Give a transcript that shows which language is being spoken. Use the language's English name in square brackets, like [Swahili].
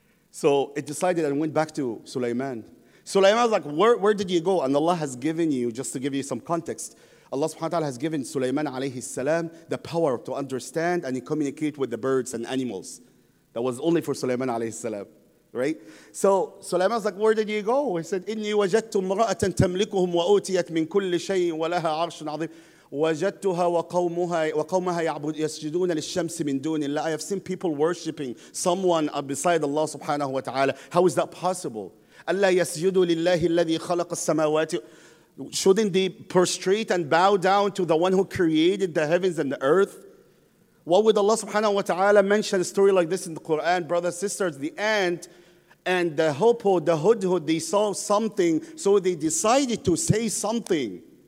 [English] So it decided and went back to Sulaiman. Sulaiman was like, where did you go? And Allah has given you, just to give you some context, Allah subhanahu wa ta'ala has given Sulaiman alayhi salam the power to understand and communicate with the birds and animals. That was only for Sulaiman alayhi salam. Right? So Sulaiman's like, where did you go? [Arabic] He said, إِنِّي وَجَدْتُ مْرَأَةً تَمْلِكُهُمْ وَأُوْتِيَتْ مِنْ كُلِّ شَيْءٍ وَلَهَا عَرْشٌ عَظِيمٌ وَجَدْتُهَا وَقَوْمَهَا يَسْجُدُونَ لِلشَّمْسِ مِنْ دُونِ اللَّهِ. [English] I have seen people worshipping someone beside Allah subhanahu wa ta'ala. How is that possible? [Arabic] أَلَّا يَسْجُدُوا لِلَّهِ الَّذِي خَلَقَ السَّمَاوَاتِ. [English] Shouldn't they prostrate and bow down to the one who created the heavens and the earth? What would Allah subhanahu wa ta'ala mention a story like this in the Quran? Brothers, sisters, the ant and the hoopoe, the hudhud, they saw something, so they decided to say something.